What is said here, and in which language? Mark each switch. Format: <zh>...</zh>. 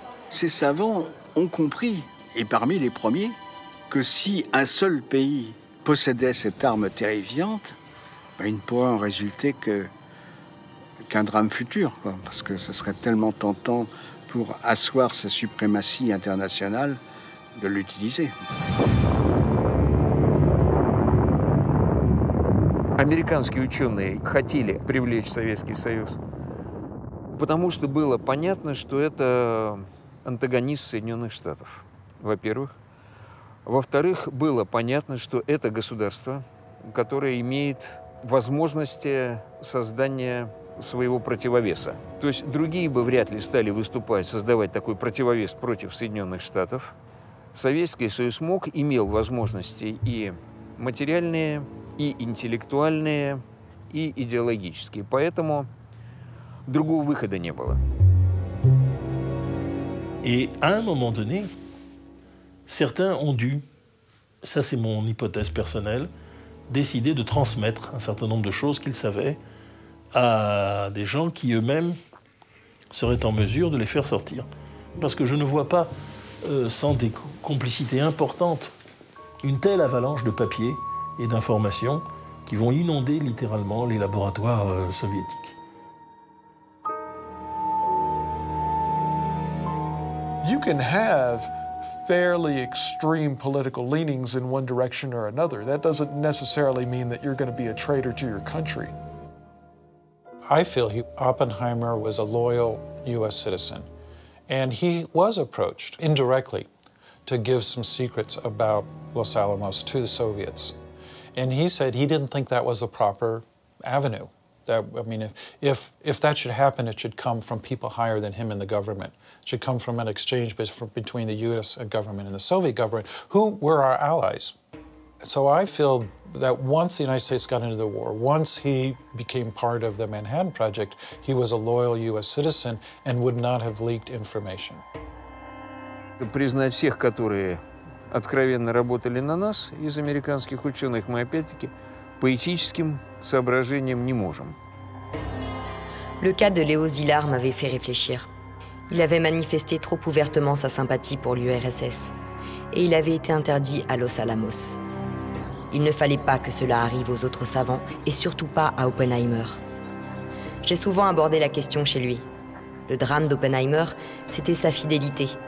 <fr>Ces savants ont compris, et parmi les premiers, que si un seul pays possédait cette arme terrifiante, ben, il ne pourrait en résulter qu'un drame futur, quoi, parce que ce serait tellement tentant pour asseoir sa suprématie internationale de l'utiliser.</fr> <ru>Американские ученые хотели привлечь Советский Союз, потому что было понятно, что это антагонист Соединенных Штатов, во-первых. Во-вторых, было понятно, что это государство, которое имеет возможности создания своего противовеса. То есть другие бы вряд ли стали выступать, создавать такой противовес против Соединенных Штатов. Советский Союз мог, имел возможности и материальные, и интеллектуальные, и идеологические. Поэтому другого выхода не было. И в один момент, некоторые должны,</ru> <fr>ça c'est mon hypothèse personnelle, décider de transmettre un certain nombre de choses qu'ils savaient à des gens qui eux-mêmes seraient en mesure de les faire sortir. Parce que je ne vois pas, sans des complicités importantes, une telle avalanche de papiers et d'informations qui vont inonder littéralement les laboratoires soviétiques.</fr> <en>You can have fairly extreme political leanings in one direction or another. That doesn't necessarily mean that you're going to be a traitor to your country. I feel Oppenheimer was a loyal U.S. citizen, and he was approached indirectly to give some secrets about Los Alamos to the Soviets. And he said he didn't think that was the proper avenue. If that should happen, it should come from people higher than him in the government. It should come from an exchange between the U.S. government and the Soviet government, who were our allies. So I feel that once the United States got into the war, once he became part of the Manhattan Project, he was a loyal U.S. citizen and would not have leaked information.</en> <ru>Признать всех, которые откровенно работали на нас из американских ученых, мы опять-таки по этическим соображениям не можем.</ru> <fr>Le cas de Léo Szilard m'avait fait réfléchir. Il avait manifesté trop ouvertement sa sympathie pour l'URSS et il avait été interdit à Los Alamos. Il ne fallait pas que cela arrive aux autres savants et surtout pas à Oppenheimer. J'ai souvent abordé la question chez lui. Le drame d'Oppenheimer, c'était sa fidélité.</fr>